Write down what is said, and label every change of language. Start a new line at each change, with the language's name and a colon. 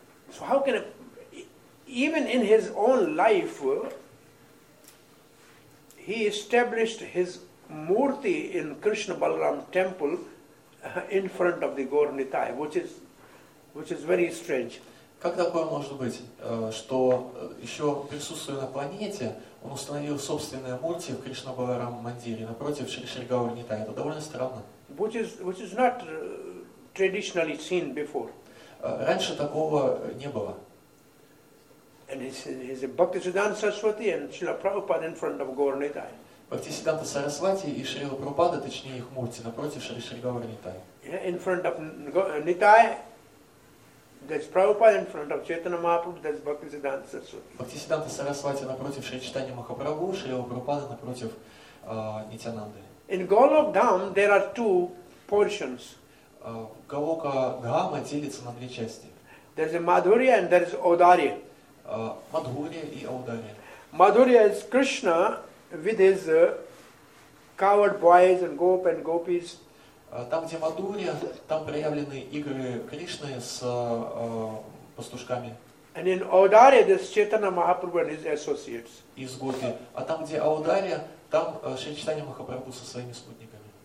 English: So how can even in his own life he established his Murti in Krishna Balaram temple in front of the Gaur Nithai, which is very strange.
Russian: Как такое может быть, что еще присутствуя на планете, он установил собственное Мурти в Кришна Баларам Мандире напротив Шри Гаур Нитай? Это довольно странно.
English: Which is not traditionally seen before.
Russian: Раньше такого не было.
English: And he's a Bhaktisiddhanta Saraswati and Srila Prabhupada in front of Gaur Nithai.
Russian: Бхактисиддханта Сарасвати и Шрила Прабхупада, точнее их мурти, напротив Шри Шри Гаура Нитай.
English: In front of Nitai, there's Prabhupada, in front of Chaitanya Mahaprabhu, there's Bhaktisiddhanta Saraswati.
Russian: Бхактисиддханта Сарасвати напротив Шри Чайтанья Махапрабху, Шрила Прабхупада напротив Нитянанды.
English: In Голок Дхам, there are two portions.
Russian: Голока Дхама делится на две части.
English: There's a Madhurya and there's Audharya.
Russian: Мадхурия и Аударья.
English: Madhurya is Krishna with his coward boys and gop and gopis.
Russian: Там, где Мадхурия, там проявлены игры Кришны с пастушками.
English: And in Audharya, there's Chaitanya Mahaprabhu and his associates.
Russian: Из Гопи. А там, где Audharya, там Шри Чайтанья Махапрабху со своими спутниками.